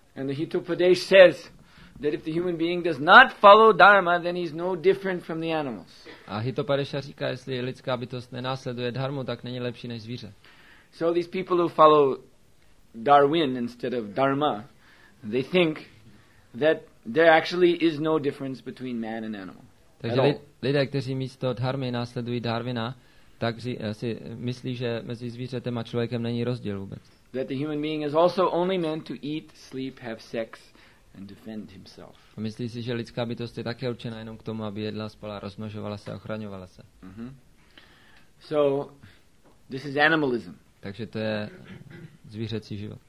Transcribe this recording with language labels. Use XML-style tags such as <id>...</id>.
<en>And the Hitopadesh says that if the human being does not follow dharma, then he's no different from the animals.</en> <cs>A Hitopadesha říká, jestli lidská bytost nenásleduje dharmu, tak není lepší než zvíře.</cs> <en>So these people who follow Darwin instead of dharma, they think that there actually is no difference between man and animal.</en> <cs>Takže lidé, kteří místo dharmy následují Darwina, tak si myslí, že mezi zvířetem a člověkem není rozdíl vůbec.</cs> <en>That the human being is also only meant to eat, sleep, have sex and defend himself.</en> <cs>A myslí si, že lidská bytost je také určena jenom k tomu, aby jedla, spala, rozmnožovala se a ochraňovala se.</cs> <en>So this is animalism.</en> <cs>Takže to je zvířecí život.</cs>